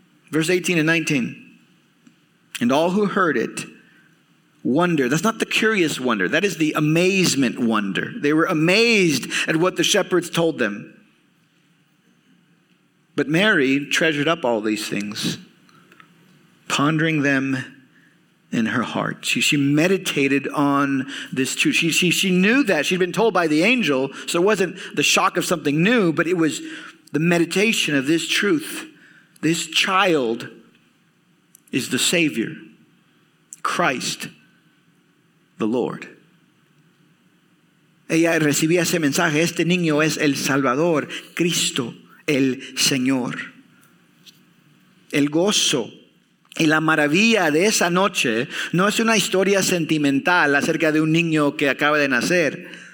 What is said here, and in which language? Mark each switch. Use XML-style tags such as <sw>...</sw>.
<en>Verse 18 and 19. And all who heard it wondered. That's not the curious wonder. That is the amazement wonder. They were amazed at what the shepherds told them. But Mary treasured up all these things, pondering them in her heart. She meditated on this truth. She knew that. She'd been told by the angel. So it wasn't the shock of something new, but it was the meditation of this truth. This child is the Savior, Christ, the Lord.</en> <es>Ella recibía ese mensaje. Este niño es el Salvador, Cristo, el Señor. El gozo y la maravilla de esa noche no es una historia sentimental acerca de un niño que acaba de nacer.</es>